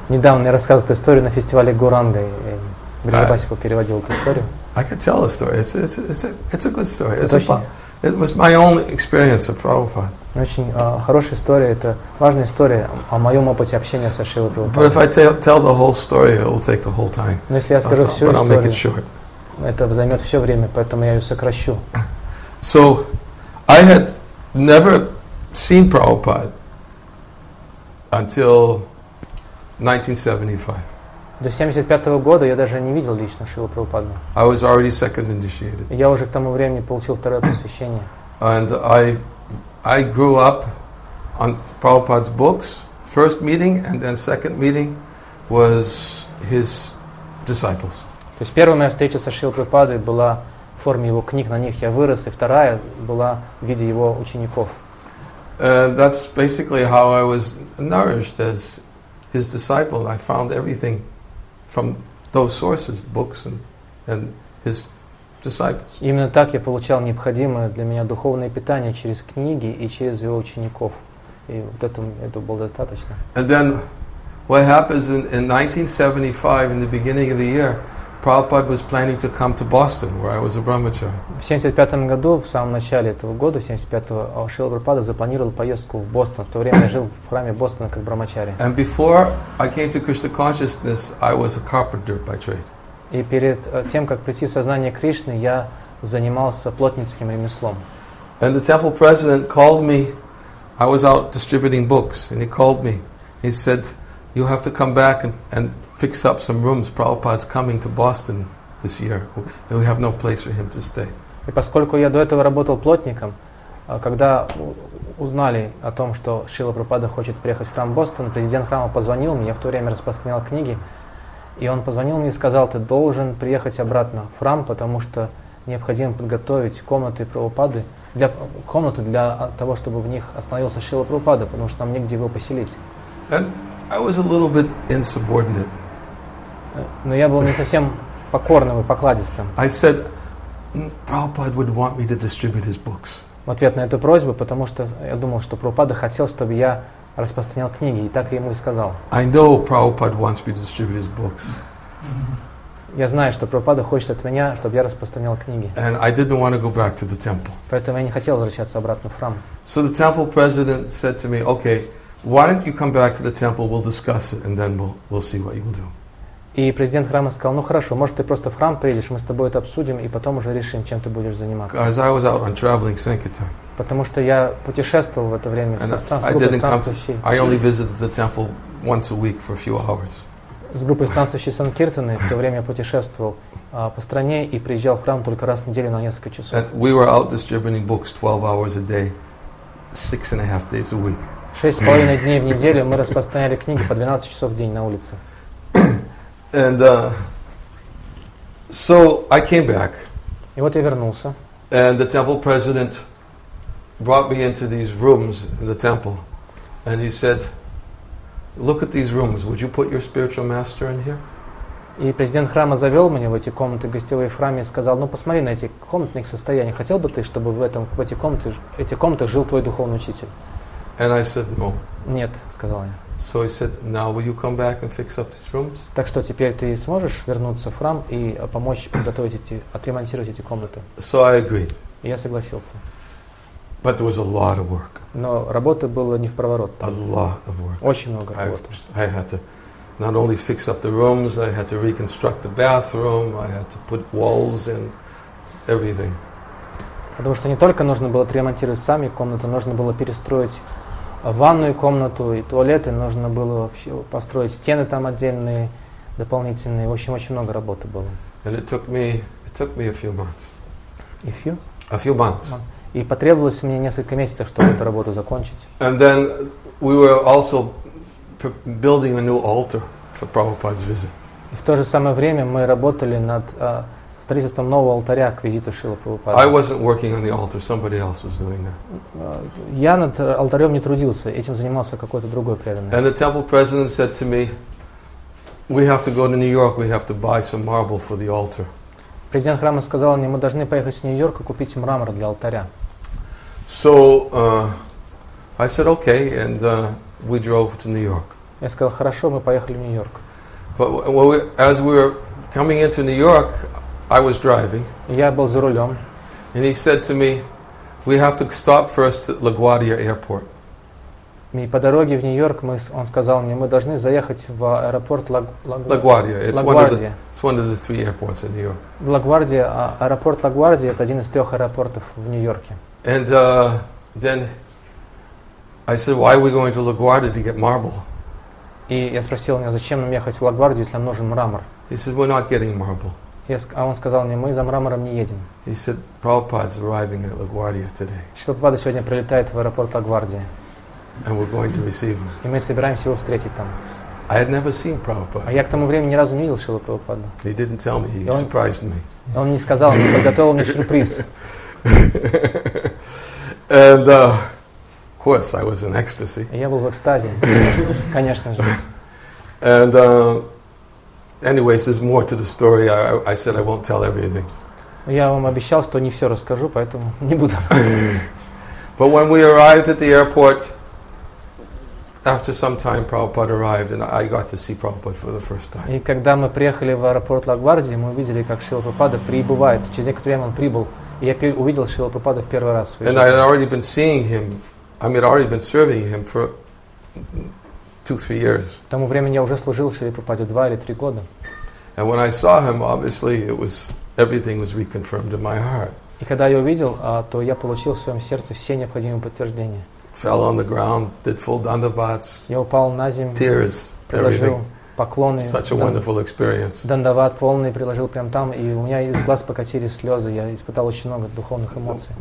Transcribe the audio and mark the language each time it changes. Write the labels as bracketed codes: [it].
[ru] Недавно я рассказывал эту историю на фестивале Гуранга. Брижабаси переводил эту историю. [en] I can tell a story. It's a good story. It was my only experience of Prabhupada. [ru] Очень хорошая история. Это важная история о моем опыте общения со Шрилой Прабхупадой. [en] But if I tell the whole story, it will take the whole time. [ru] Но если я скажу всю историю, [en] I'll make it short. [ru] Это займет все время, поэтому я ее сокращу. [en] So, I had never seen Prabhupada until 1975. [ru] До 1975 года я даже не видел лично Шрилу Прабхупаду. [en] I was already second initiated. [ru] Я уже к тому времени получил второе посвящение. [en] And I grew up on Prabhupada's books. First meeting and then second meeting was his disciples. [ru] То есть первая моя встреча со Шрилой Прабхупадой была в форме его книг, на них я вырос, и вторая была в виде его учеников. [en] That's basically how I was nourished as his disciple. I found everything from those sources, books and his disciples. [ru] Именно так я получал необходимое для меня духовное питание через книги и через его учеников. И вот это было достаточно. [en] And then what happens in 1975, in the beginning of the year, Prabhupada was planning to come to Boston, where I was a brahmachari. [ru] В 75 году, в самом начале этого года, 75-го, Шрила Прабхупада запланировал поездку в Бостон. В то время я жил в храме Бостона как брахмачари. [en] And before I came to Krishna consciousness, I was a carpenter by trade. [ru] И перед тем, как прийти в сознание Кришны, я занимался плотницким ремеслом. [en] And the temple president called me. I was out distributing books, and he called me. He said, "You have to come back and fix up some rooms. Prabhupada's coming to Boston this year, and we have no place for him to stay." [ru] И поскольку я до этого работал плотником, когда узнали о том, что Шрила Прабхупада хочет приехать в храм Бостон, президент храма позвонил мне. Я в то время распространял книги, и он позвонил мне и сказал: "Ты должен приехать обратно в храм, потому что необходимо подготовить комнаты Прабхупады для комнаты для того, чтобы в них остановился Шрила Прабхупада, потому что нам негде его поселить." [en] And I was a little bit insubordinate. [ru] Но я был не совсем покорным и покладистым. [en] I said, "Prabhupada would want me to distribute his books." [ru] В ответ на эту просьбу, потому что я думал, что Прабхупада хотел, чтобы я распространял книги, и так ему и сказал. [en] I know Prabhupada wants me to distribute his books. [ru] Я знаю, что Прабхупада хочет от меня, чтобы я распространял книги. [en] And I didn't want to go back to the temple. [ru] Поэтому я не хотел возвращаться обратно в храм. [en] So the temple president said to me, "Okay, why don't you come back to the temple? We'll discuss it, and then we'll see what you will do." [ru] И президент храма сказал: "Ну хорошо, может ты просто в храм приедешь, мы с тобой это обсудим, и потом уже решим, чем ты будешь заниматься." [en] As I was out on traveling sankirtan. [ru] Потому что я путешествовал в это время. [en] I only visited the temple once a week for a few hours. [ru] С группой странствующих санкиртаны все время путешествовал по стране и приезжал в храм только раз в неделю на несколько часов. [en] And we were out distributing books 12 hours a day, 6.5 days a week. [ru] 6.5 дней в неделю мы распространяли книги по 12 часов в день на улице. [en] And so I came back. [ru] И вот я вернулся. [en] And the temple president brought me into these rooms in the temple, and he said, "Look at these rooms. Would you put your spiritual master in here?" [ru] И президент храма завел меня в эти комнаты гостевые в храме и сказал: "Ну посмотри на эти комнаты, на их состояние. Хотел бы ты, чтобы в этих комнатах жил твой духовный учитель?" [en] And I said, "No." [ru] Нет, сказал я. [en] So he said, "Now will you come back and fix up these rooms?" [ru] Так что теперь ты сможешь вернуться в храм и помочь подготовить отремонтировать эти комнаты. [en] So I agreed. [ru] Я согласился. [en] But there was a lot of work. [ru] Но работы было не в проворот. [en] A lot of work. [ru] Очень много работы. [en] I had to not only fix up the rooms, I had to reconstruct the bathroom, I had to put walls in, everything. [ru] Потому что не только нужно было отремонтировать сами комнаты, нужно было перестроить ванную комнату и туалеты, нужно было вообще построить стены там отдельные, дополнительные. В общем, очень много работы было. [en] And it took me a few months. A few? A few months. [ru] И потребовалось мне несколько месяцев, чтобы эту работу закончить. [en] And then we were also building a new altar for Prabhupada's visit. [ru] И в то же самое время мы работали над строительством нового алтаря к визиту Шрилы Прабхупады. [en] I wasn't working on the altar, somebody else was doing that. [ru] Я над алтарем не трудился, этим занимался какой-то другой преданный. [en] And the temple president said to me, we have to go to New York, we have to buy some marble for the altar. [ru] Президент храма сказал мне, мы должны поехать в Нью-Йорк и купить мрамор для алтаря. [en] So, I said, okay, and we drove to New York. [ru] Я сказал, хорошо, мы поехали в Нью-Йорк. [en] But when we, as we were coming into New York, I was driving. [ru] Я был за рулем. [en] And he said to me, we have to stop first at LaGuardia Airport. [ru] И по дороге в Нью-Йорк мы, он сказал мне, мы должны заехать в аэропорт LaGuardia. [en] It's one of the three airports in New York. [ru] LaGuardia, аэропорт LaGuardia, это один из трех аэропортов в Нью-Йорке. [en] And then I said, why are we going to LaGuardia to get marble? [ru] И я спросил меня, зачем нам ехать в LaGuardia, если нам нужен мрамор? [en] He said, we're not getting marble. [ru] А он сказал мне, мы за мрамором не едем. [en] He said, Prabhupada's arriving at LaGuardia today. [ru] Шрила Прабхупада сегодня прилетает в аэропорт LaGuardia. [en] And we're going to receive him. [ru] И мы собираемся его встретить там. [en] I had never seen Prabhupada. [ru] А я к тому времени ни разу не видел Шрилу Прабхупаду. [en] He didn't tell me, he surprised me. [ru] Он не сказал мне, подготовил мне сюрприз. [en] And, of course, I was in ecstasy. [ru] Я был в экстазе, конечно же. [en] And, anyways, there's more to the story. I said I won't tell everything. [ru] Я вам обещал, что не все расскажу, поэтому не буду. [en] But when we arrived at the airport, after some time, Prabhupada arrived, and I got to see Prabhupada for the first time. [ru] И когда мы приехали в аэропорт LaGuardia, мы увидели, как Шрила Прабхупада прибывает. Через некоторое время он прибыл, и я увидел Шрилу Прабхупаду в первый раз. [en] And I had already been seeing him. I mean, I'd already been serving him for 2-3 years. [ru] К тому времени я уже служил Шриле Прабхупаде 2 или 3 года. [en] And when I saw him, obviously, everything was reconfirmed in my heart. [ru] И когда я увидел, то я получил в своем сердце все необходимые подтверждения. [en] Fell on the ground, did full dandavats. [ru] Я упал на землю. [en] Tears, everything. [ru] Поклоны. [en] Such a wonderful experience. [ru] Дандават полный приложил прям там, и у меня из глаз покатились слезы. Я испытал очень много духовных эмоций.